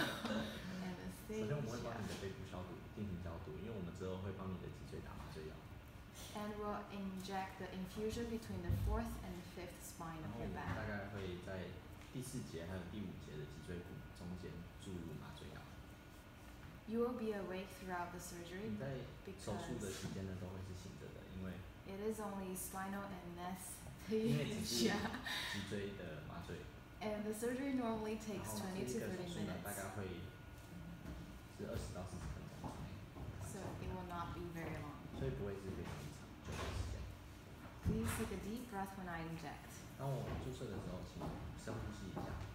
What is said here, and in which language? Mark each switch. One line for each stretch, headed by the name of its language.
Chinese: 首先，我们会帮你的背部消毒，进行消毒，因为我们之后会帮你的脊椎打麻醉药。
English: And we'll inject the infusion between the fourth and the fifth spine of your back.
Chinese: 大概会在第四节还有第五节的脊椎骨中间注入麻醉药。
English: You will be awake throughout the surgery.
Chinese: 你在手术的期间呢都会是醒着的，因为
English: it is only spinal anesthesia.
Chinese: 脊椎的麻醉。
English: And the surgery normally takes 20 to 30 minutes.
Chinese: 大概会是20到40分钟。
English: So it will not be very long.
Chinese: 所以不会是非常长久的时间。
English: Please take a deep breath when I inject.
Chinese: 当我注射的时候，请深呼吸一下。